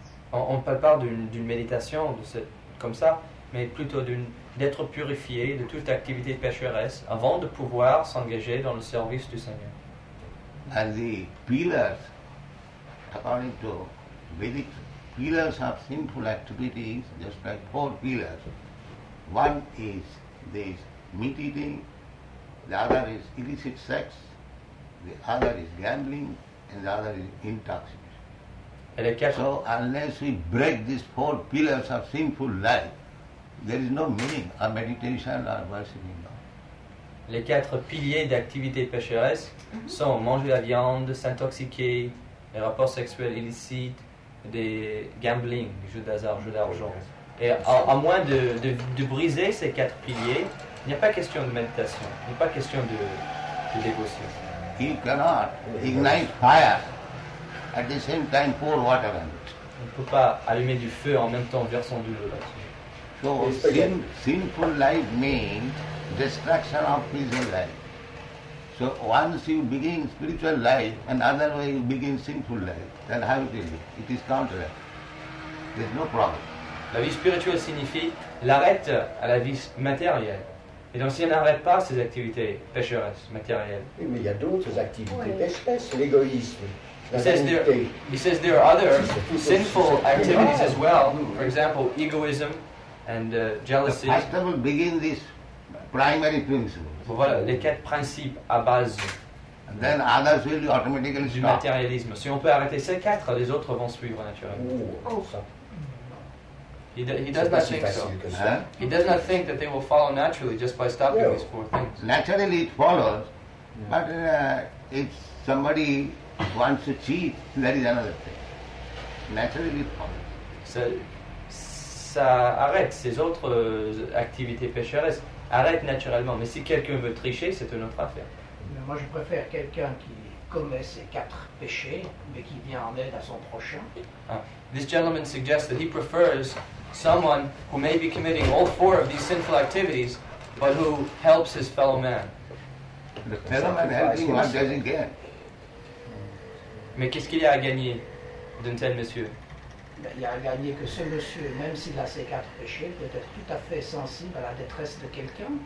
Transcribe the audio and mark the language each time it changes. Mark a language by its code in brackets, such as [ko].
[fr] On ne parle pas d'une méditation comme ça, mais plutôt d'être purifié de toute activité pécheresse avant de pouvoir s'engager dans le service du Seigneur. [en] And the pillars, according to Vedic, pillars of sinful activities, just like four pillars. One is this meat eating, the other is illicit sex, the other is gambling, and the other is intoxication. So unless we break these four pillars of sinful life, there is no meaning of meditation or worshiping God. [fr] Les quatre piliers d'activité pécheresse sont manger la viande, s'intoxiquer, les rapports sexuels illicites, des gambling, jeux d'hasard, jeux d'argent. Et à moins de briser ces quatre piliers, Il n'y a pas question de méditation, il n'y a pas question de dévotion. [en] He cannot ignite fire at the same time pour water in it. [fr] On ne peut pas allumer du feu en même temps versant de l'eau là-dessus. [en] So sinful life means destruction of physical life. So once you begin spiritual life, and other way you begin sinful life, then how it will be? It is counterfeit. There is no problem. [fr] La vie spirituelle signifie l'arrêt à la vie matérielle. Et donc si on n'arrête pas ces activités pécheresses, matérielles. Oui, mais il y a d'autres activités pécheresses, l'égoïsme. [en] He says there are other sinful activities as well. For example, egoism and jealousy. I still begin this primary principle. [fr] Voilà, les quatre principes à base. [en] And then others will automatically [fr] du matérialisme. Si on peut arrêter ces quatre, les autres vont suivre naturellement. Oh, ça. [en] He does not think so. Huh? He does not think that they will follow naturally just by stopping these four things. Naturally it follows, but if somebody wants to cheat, that is another thing. Naturally it follows. [fr] Ça arrête ces autres activités pécheresses. Arrête naturellement. Mais si quelqu'un veut tricher, c'est une autre affaire. Mais moi, je préfère quelqu'un qui commet ses quatre péchés, mais qui vient en aide à son prochain. [en] This gentleman suggests that he prefers someone who may be committing all four of these sinful activities, but who helps his fellow man. The fellow man helping what does he get? [fr] Mais qu'est-ce qu'il y a à gagner d'un tel monsieur? Ben, il y a à gagner que ce monsieur, même s'il a ses quatre péchés, peut être tout à fait sensible à la détresse de quelqu'un.